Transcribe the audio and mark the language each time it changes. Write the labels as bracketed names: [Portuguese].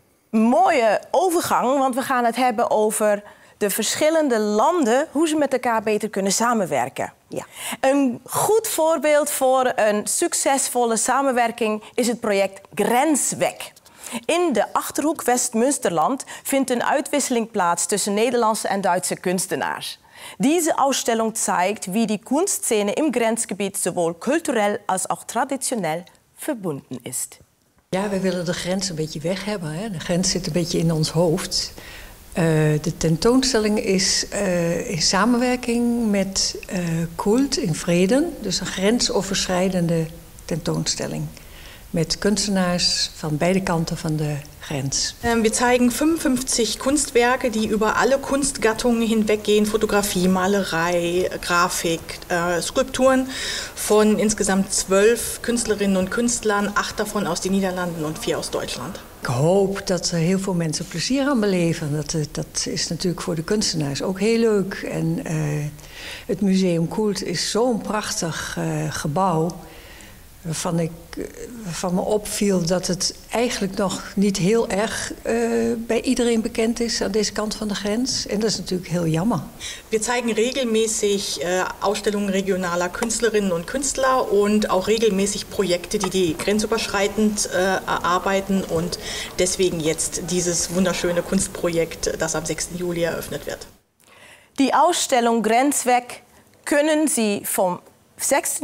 [Dutch] Mooie overgang, want we gaan het hebben over de verschillende landen, hoe ze met elkaar beter kunnen samenwerken. Ja. Een goed voorbeeld voor een succesvolle samenwerking is het project Grenswek. In de Achterhoek West-Münsterland vindt een uitwisseling plaats tussen Nederlandse en Duitse kunstenaars. [German] Diese Ausstellung zeigt, wie die Kunstszene im Grenzgebiet sowohl kulturell als auch traditionell verbunden ist. Ja, wir wollen die Grenze ein bisschen weg haben. Die Grenze sitzt ein bisschen in uns Hoofd. Die Tentoonstellung ist in Samenwerking mit Kult in Frieden, also eine grensoverschreitende Tentoonstellung mit Künstlern von beiden Kanten von der Grenz. Wir zeigen 55 Kunstwerke, die über alle Kunstgattungen hinweggehen. Fotografie, Malerei, Grafik, Skulpturen von insgesamt 12 Künstlerinnen und Künstlern, 8 davon aus den Niederlanden und 4 aus Deutschland. [Dutch] Ik hoop dat er heel veel mensen plezier aan beleven. Dat is natuurlijk voor de kunstenaars ook heel leuk. En het Museum Koelt is zo'n prachtig gebouw. Waarvan me opviel dat het eigenlijk nog niet heel erg bij iedereen bekend is aan deze kant van de grens. En dat is natuurlijk heel jammer. [German] We zeigen regelmäßig Ausstellungen regionaler Künstlerinnen und Künstler. [Dutch] En [German] ook regelmäßig Projekte, die grensüberschreitend erarbeiten. [Dutch] En [German] deswegen jetzt dieses wunderschöne Kunstprojekt, das am 6. Juli eröffnet wird. Die Ausstellung Grenzweg können Sie vom 6.